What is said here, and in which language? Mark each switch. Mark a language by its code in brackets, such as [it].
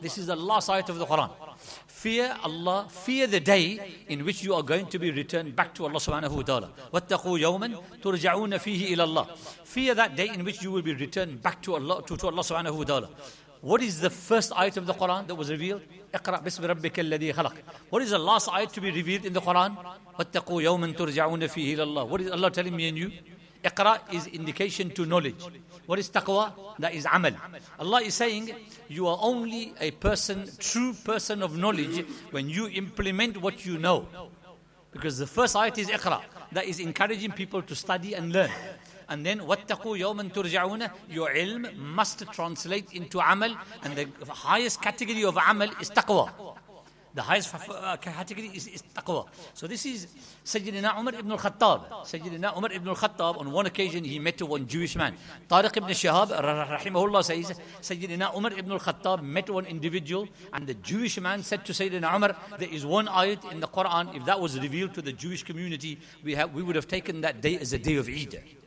[en] This is the last ayat of the Quran. Fear Allah, fear the day in which you are going to be returned back to Allah subhanahu wa ta'ala. [ar] وَاتَّقُوا يَوْمًا تُرْجَعُونَ فِيهِ إِلَى اللَّهِ. [en] Fear that day in which you will be returned back to Allah subhanahu wa ta'ala. What is the first ayat of the Quran that was revealed? [ar] اقرأ بسم ربك الذي خلق. [en] What is the last ayat to be revealed in the Quran? [ar] واتقوا يوما ترجعون فيه إلى الله. [en] What is Allah telling me and you? اقرأ is indication to knowledge. What is taqwa? That is amal. Allah is saying, you are only a person, true person of knowledge, when you implement what you know. Because the first ayat is اقرأ. That is encouraging people to study and learn. And then, [ar] وَاتَّقُوا يَوْمًا تُرْجَعُونَ. [en] Your ilm must translate into amal. And the highest category of amal is taqwa. The highest category is taqwa. So this is Sayyidina Umar ibn al-Khattab. Sayyidina Umar ibn al-Khattab, on one occasion, he met one Jewish man. Tariq ibn Shihab, rahimahullah, says, Sayyidina Umar ibn al-Khattab met one individual, and the Jewish man said to Sayyidina Umar, there is one ayat in the Quran, if that was revealed to the Jewish community, we would have taken that day as a day of Eid.